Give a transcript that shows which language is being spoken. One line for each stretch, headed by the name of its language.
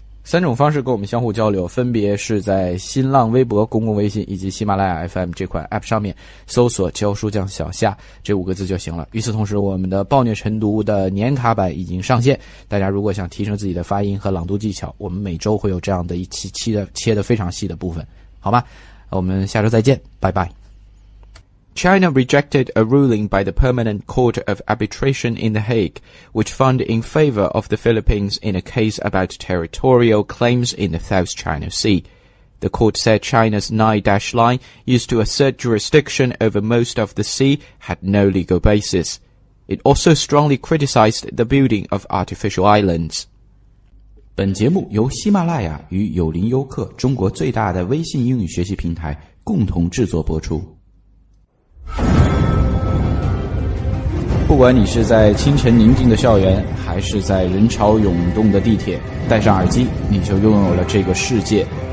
Chinese: 三种方式跟我们相互交流，分别是在新浪微博、公共微信以及喜马拉雅 FM 这款 APP 上面搜索教书匠小夏这五个字就行了。与此同时，我们的暴虐晨读的年卡版已经上线，大家如果想提升自己的发音和朗读技巧，我们每周会有这样的一期切的非常细的部分，好吗？我们下周再见，拜拜。
English: China rejected a ruling by the Permanent Court of Arbitration in The Hague, which found in favor of the Philippines in a case about territorial claims in the South China Sea. The court said China's 9-line used to assert jurisdiction over most of the sea had no legal basis. It also strongly criticized the building of artificial islands.
Chinese: 本节目由喜马拉雅与有林优客中国最大的微信英语学习平台共同制作播出。不管你是在清晨宁静的校园，还是在人潮涌动的地铁，戴上耳机，你就拥有了这个世界。